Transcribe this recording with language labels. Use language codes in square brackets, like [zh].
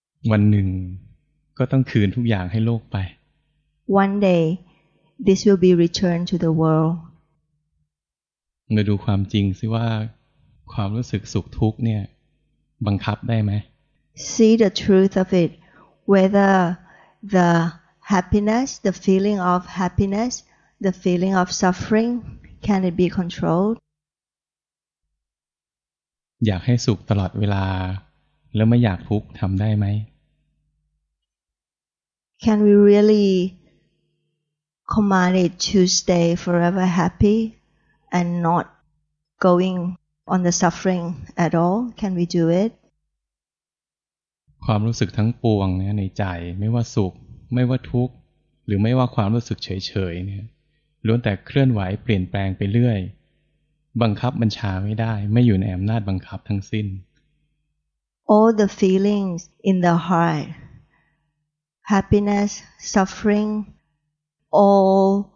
[th] วันหนึ่งก็ต้องคืนทุกอย่างให้โลกไป [en] one day this will be returned to the world [th] มาดูความจริงซิว่าความรู้สึกสุขทุกข์เนี่ยบังคับได้ไหม [en] See the truth of it whether the happiness the feeling of happiness the feeling of suffering can it be controlled [th] อยากให้สุขตลอดเวลาแล้วไม่อยากทุกข์ทำได้ไหม [en] Can we really command it to stay forever happyAnd not going on the suffering at all. Can we do it? [th] ความรู้สึกทั้งปวงเนี่ยในใจไม่ว่าสุขไม่ว่าทุกข์หรือไม่ว่าความรู้สึกเฉยๆเนี่ยล้วนแต่เคลื่อนไหวเปลี่ยนแปลงไปเรื่อยบังคับบัญชาไม่ได้ไม่อยู่ในอำนาจบังคับทั้งสิ้น [en] All the feelings in the heart, happiness, suffering, all.